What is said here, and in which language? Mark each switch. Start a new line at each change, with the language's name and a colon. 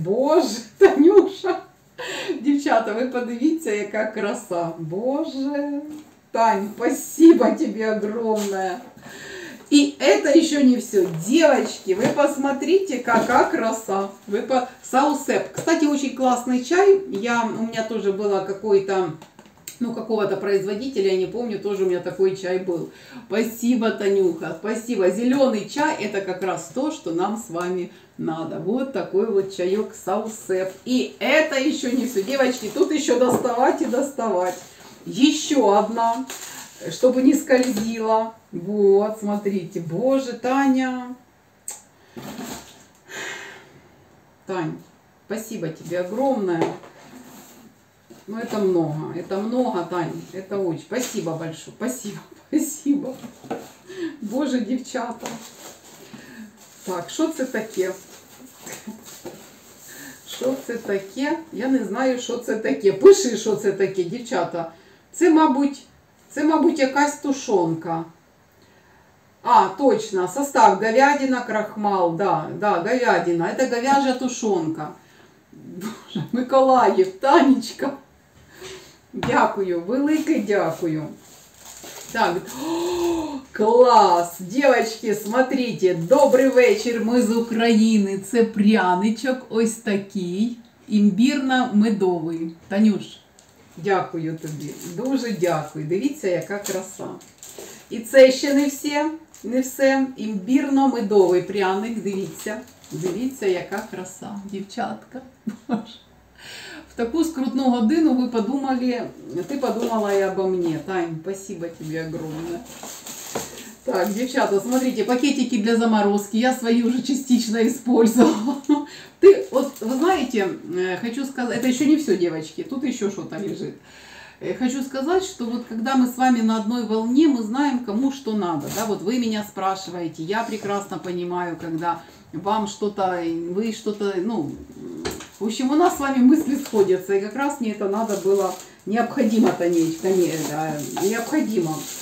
Ukrainian: Боже, Танюша! Девчата, вы подивіться, яка краса. Боже!
Russian: Тань, спасибо тебе огромное. И это еще не все. Девочки, вы посмотрите, какая краса. Саусеп. Кстати, очень классный чай. У меня тоже было какой-то, ну, какого-то производителя, я не помню, тоже у меня такой чай был. Спасибо, Танюха, спасибо. Зеленый чай, это как раз то, что нам с вами надо. Вот такой вот чаек Саусеп. И это еще не все. Девочки, тут еще доставать и доставать. Еще одна, чтобы не скользила. Вот, смотрите. Боже, Таня. Тань, спасибо тебе огромное. Ну, это много. Это много, Таня. Это очень. Спасибо большое. Спасибо. Спасибо. Боже, девчата. Так, что это такое? Что это такое? Я не знаю, что это такое. Пиши, что это такое, девчата.
Ukrainian: Це, мабуть, якась тушенка.
Russian: А, точно, состав говядина, крахмал, да, говядина, это говяжья тушенка.
Ukrainian: Боже, Миколаїв, Танечка, дякую, велике дякую.
Russian: Так, клас, девочки, смотрите, добрый вечер, мы из Украины,
Ukrainian: це пряничок ось такий,
Russian: имбирно-медовый.
Ukrainian: Танюш, дякую тебе, дуже дякую, дивіться, яка краса.
Russian: И це еще не все. Не все.
Ukrainian: Імбірно-медовий пряник. Дивіться. Дивіться, яка краса. Дівчатка. Боже. В таку скрутну годину ви подумали, ти подумала і обо мені. Тань, спасибо тобі огромне. Так, дівчата,
Russian: смотрите, пакетики для заморозки.
Ukrainian: Я свої вже
Russian: частично использовала.
Ukrainian: Ти, от, ви знаєте, хочу сказати, це ще не все, дівчатки, тут ще щось лежить.
Russian: Хочу сказать, что вот когда мы с вами на одной волне, мы знаем, кому что надо. Да? Вот вы меня спрашиваете, я прекрасно понимаю, когда вам что-то, вы что-то, ну, в общем, у нас с вами мысли сходятся. И как раз мне это надо было необходимо-то нечто, не, да, необходимо.